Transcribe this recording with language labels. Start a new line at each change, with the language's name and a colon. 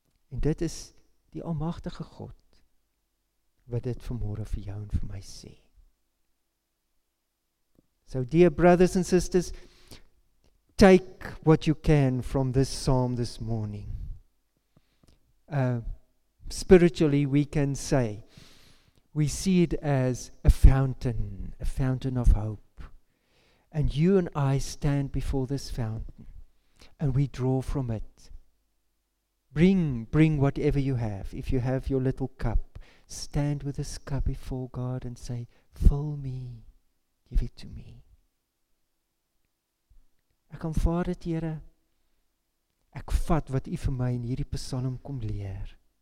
Afrikaans: En dit is die Almagtige God wat dit vanmôre vir jou en vir my sê.
English: So dear brothers and sisters, take what you can from this psalm this morning. Spiritually we can say, we see it as a fountain of hope. And you and I stand before this fountain and we draw from it. Bring whatever you have. If you have your little cup, stand with this cup before God and say, fill me, give it to me.
Afrikaans: Ek aanvaar dit, Here. Ek vat wat U vir my in hierdie psalm kom leer.